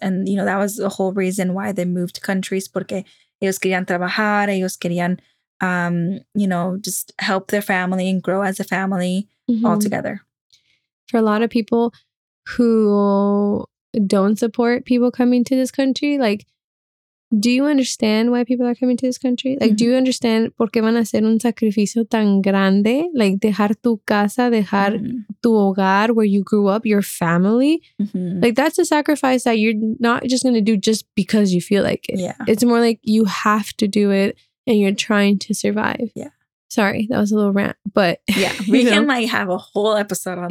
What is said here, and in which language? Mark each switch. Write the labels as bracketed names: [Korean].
[English] And, you know, that was the whole reason why they moved countries, [Spanish] porque ellos querían trabajar, ellos querían, [English] you know, just help their family and grow as a family all together. For a lot of people who don't support people coming to this country, like, do you understand why people are coming to this country? [Spanish] Like, mm-hmm. [English] do you understand [Spanish] por qué van a hacer un sacrificio tan grande? Like, dejar tu casa, dejar mm-hmm. tu hogar, [English] where you grew up, your family. Mm-hmm. Like, that's a sacrifice that you're not just going to do just because you feel like it. Yeah. It's more like you have to do it and you're trying to survive. Yeah. Sorry, that was a little rant, but... Yeah, we can like have a whole episode on that.